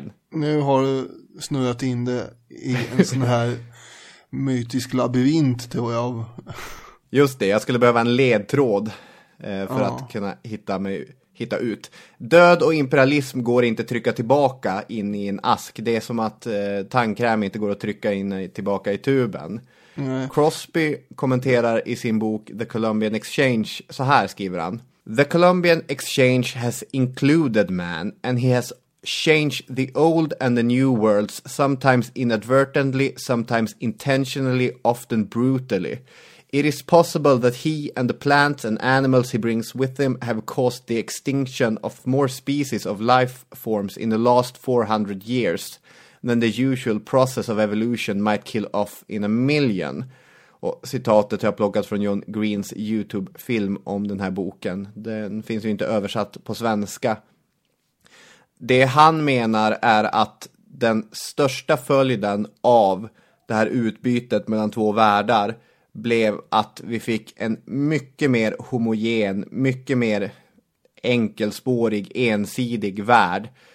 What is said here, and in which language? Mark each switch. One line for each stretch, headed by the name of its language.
Swedish: Nu har du snurrat in det i en sån här mytisk labyrint, tror jag. Just det, jag skulle behöva en ledtråd för att kunna hitta ut. Död och imperialism går inte att trycka tillbaka in i en ask. Det är som att tandkräm inte går att trycka in tillbaka i tuben. Nej. Crosby kommenterar i sin bok The Columbian Exchange, så här skriver han:
English: "The Columbian Exchange has included man, and he has changed the old and the new worlds, sometimes inadvertently, sometimes intentionally, often brutally. It is possible that he and the plants and animals he brings with him have caused the extinction of more species of life forms in the last 400 years than the usual process of evolution might kill off in a million."
Swedish: Och citatet har jag plockat från John Greens YouTube-film om den här boken. Den finns ju inte översatt på svenska. Det han menar är att den största följden av det här utbytet mellan två världar blev att vi fick en mycket mer homogen, mycket mer enkelspårig, ensidig värld.